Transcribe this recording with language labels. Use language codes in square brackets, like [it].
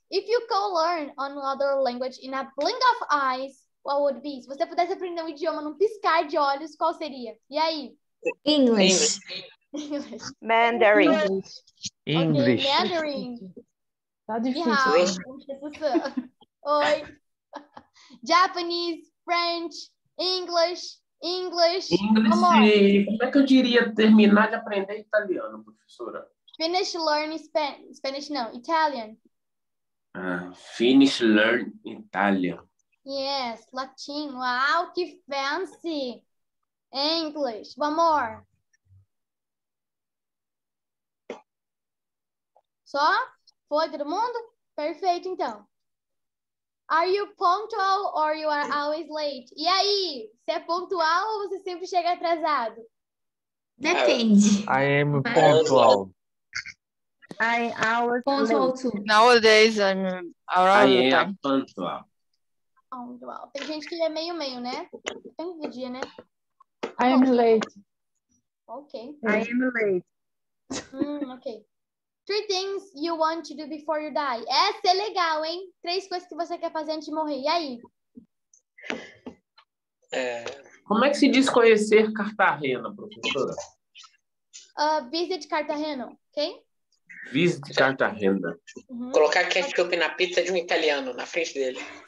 [en] If you could learn another language in a blink of eyes, what would be? [pt] Se você pudesse aprender um idioma num piscar de olhos, qual seria? E aí? [en] English. Mandarin. English. Okay, Mandarin. [pt] Tá difícil. [en] Oi. Japanese, French, English, English. [pt] English. Como é que eu diria terminar de aprender italiano, professora? [en] Finish learning Spanish, [pt] não, [en] Italian. Finish learn Italian. Yes, Latin. Wow, que fancy. English. One more. [pt] Só? Foi todo mundo? Perfeito, então. [en] Are you punctual or you are always late? [pt] E aí, você é pontual ou você sempre chega atrasado? Depende. [en] I am punctual. I always punctual late. Too. Nowadays, I'm around. I am punctual. [pt] Punctual. Tem gente que é meio-meio, né? Tem um dia, né? [en] I am late. Ok. I am late. Ok. Three things you want to do before you die. [pt] Essa é legal, hein? Três coisas que você quer fazer antes de morrer. E aí? Como é que se diz conhecer Cartagena, professora? [en] Visit Cartagena, ok? Visit Cartagena. Uhum. [pt] Colocar ketchup na pizza de um italiano na frente dele.